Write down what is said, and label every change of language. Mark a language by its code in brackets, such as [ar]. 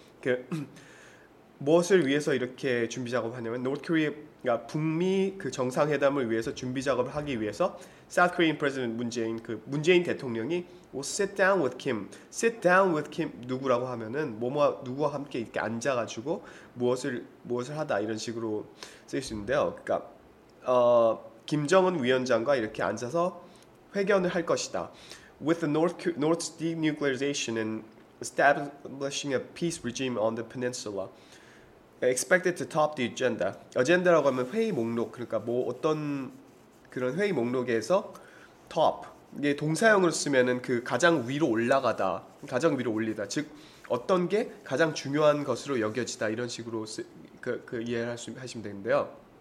[ko] 그 무엇을 위해서 이렇게 준비 작업하냐면 North Korea, 그러니까 북미 그 정상회담을 위해서 준비 작업을 하기 위해서 [en] South Korean President [ko] 문재인 대통령이 [en] will sit down with Kim. Sit down with Kim [ko] 누구라고 하면은 뭐뭐 누구와 함께 이렇게 앉아가지고 무엇을 하다 이런 식으로 쓸 수 있는데요. 그러니까 김정은 위원장과 이렇게 앉아서 회견을 할 것이다. [en] With the North's denuclearization and establishing a peace regime on the peninsula, expected to top the agenda. [ko] Agenda라고 하면 회의 목록 그러니까 뭐 어떤 그런 회의 목록에서 top 이게 동사형으로 쓰면은 그 가장 위로 올라가다, 가장 위로 올리다, 즉 어떤 게 가장 중요한 것으로 여겨지다 이런 식으로 그 이해를 하시면 되는데요.